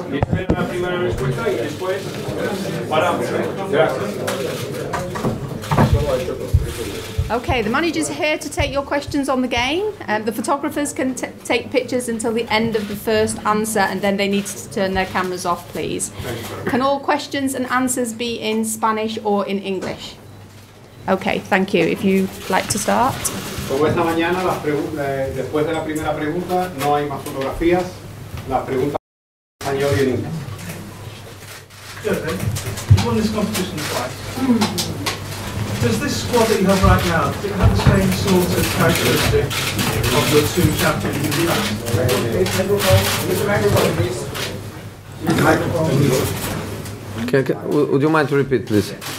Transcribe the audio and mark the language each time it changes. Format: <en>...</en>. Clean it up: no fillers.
<es>Y espera la primera respuesta y después paramos. Gracias.</es> <en>Okay, the manager's here to take your questions on the game. The photographers can take pictures until the end of the first answer, and then they need to turn their cameras off, please. Can all questions and answers be in Spanish or in English? Okay, thank you. If you'd like to start.</en> <es>Como esta mañana, después de la primera pregunta, no hay más fotografías. Las preguntas son en español y en inglés.</es> <en>You won this competition twice. Does this squad that you have right now, does it have the same sort of characteristic of the two champions you've had? Would you mind to repeat, please?</en>